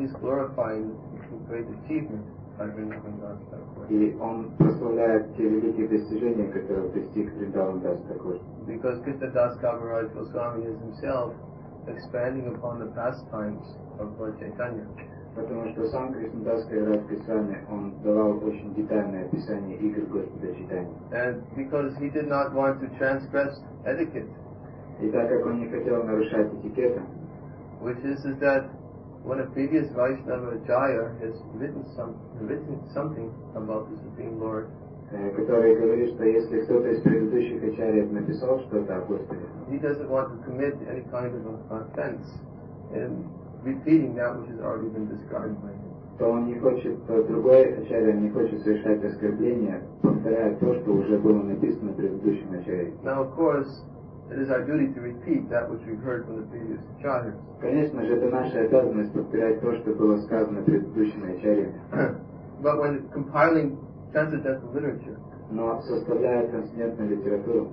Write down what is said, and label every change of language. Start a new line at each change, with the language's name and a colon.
English: He's glorifying the great achievement by Vriṇḍāvana Dasa Thakura.
Russian: И он прославляет те великие достижения, которые достиг Вриндавана Даса Такура.
English: Because Krishna Das Kaviraj Goswami is himself expanding upon the pastimes of Lord Chaitanya.
Russian: Потому что сам Кришна Дас Кавираж Госвами, он давал очень детальное описание игр Господа Чайтаньи.
English: And because he did not want to transgress etiquette.
Russian: И так как он не хотел нарушать этикета.
English: Which is that when a previous Vaishnava Jaya has written something about the Supreme Lord.
Russian: Который говорит, что если кто-то из предыдущих ачарьев написал что-то о Господе,
English: he doesn't want to commit any kind of offense in repeating that which has already been described by him.
Russian: То он не хочет, другой ачарья не хочет совершать оскорбление, повторяя то, что уже было написано предыдущим ачарьем.
English: Now, of course, it is our duty to repeat that which we've heard from the previous ачарьев.
Russian: Конечно же, это наша обязанность повторять то, что было сказано предыдущим ачарьем.
English: But when compiling transcendental literature,
Russian: но составляя трансцендентную литературу,